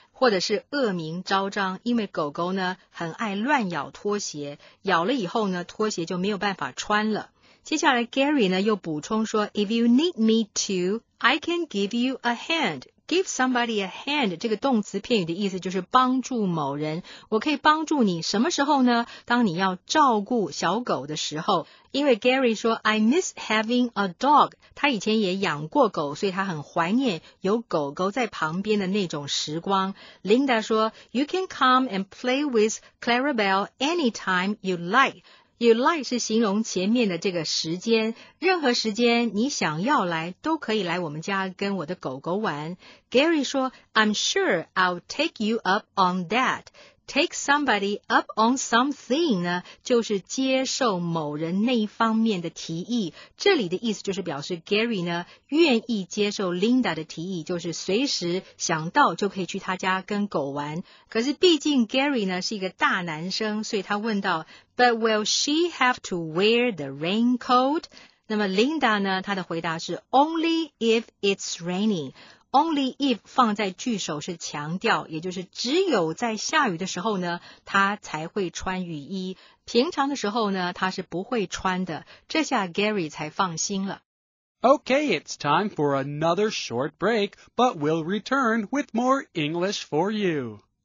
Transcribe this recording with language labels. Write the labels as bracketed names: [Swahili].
[Chinese] 或者是恶名昭彰，因为狗狗呢很爱乱咬拖鞋，咬了以后呢拖鞋就没有办法穿了。接下来 Gary 呢又补充说 [English] ,If you need me to, I can give you a hand. Give somebody a hand, [Chinese] 这个动词片语的意思就是帮助某人。我可以帮助你什么时候呢？当你要照顾小狗的时候。因为 Gary 说 , [English] I miss having a dog. [Chinese] 他以前也养过狗，所以他很怀念有狗狗在旁边的那种时光。 [English] Linda [Chinese] 说 [English] ,You can come and play with Clarabelle anytime you like. [Chinese] You like 是形容前面的这个时间，任何时间你想要来都可以来我们家跟我的狗狗玩。 [English] Gary [Chinese] 说 [English] ,I'm sure I'll take you up on that. Take somebody up on something [Chinese] 呢就是接受某人那一方面的提议。这里的意思就是表示 Gary 呢愿意接受 Linda 的提议，就是随时想到就可以去他家跟狗玩。可是毕竟 Gary 呢是一个大男生，所以他问到 [English] But will she have to wear the raincoat? [Chinese] 那么 Linda 呢她的回答是 [English] Only if it's raining. Only if [Chinese] 放在句首是强调，也就是只有在下雨的时候呢她才会穿雨衣。平常的时候呢她是不会穿的。这下 Gary 才放心了。 [English] Okay, it's time for another short break, but we'll return with more English for you.